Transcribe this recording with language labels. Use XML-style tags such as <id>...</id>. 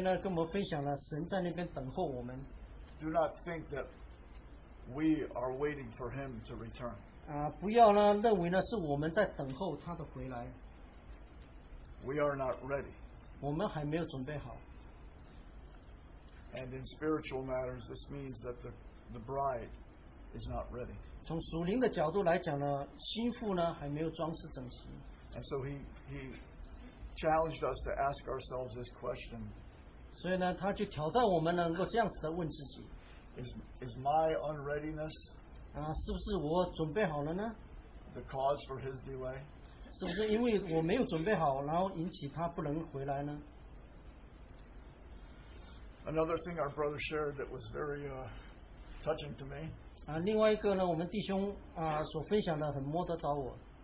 <zh>我们弟兄在那边呢跟我们分享了，神在那边等候我们。</zh> <en>Do not think that we are waiting for him to return.</en> <zh>不要呢认为呢是我们在等候他的回来。</zh> <en>We are not ready.</en> <zh>我们还没有准备好。</zh> <en>And in spiritual matters, this means that the bride is not ready.</en> <zh>从属灵的角度来讲呢，新妇呢还没有装饰整齐。</zh> <en>And so he challenged us to ask ourselves this question.</en> <zh>所以呢，他就挑战我们能够这样子的问自己。</zh> <en>Is my unreadiness?</en> <zh>是不是我准备好了呢？</zh> <en>The cause for his delay?</en> <zh>是不是因为我没有准备好，然后引起他不能回来呢？</zh> <en>Another thing our brother shared that was very touching to me.</en> <zh>另外一个呢，我们弟兄所分享的很摸得着我。</zh>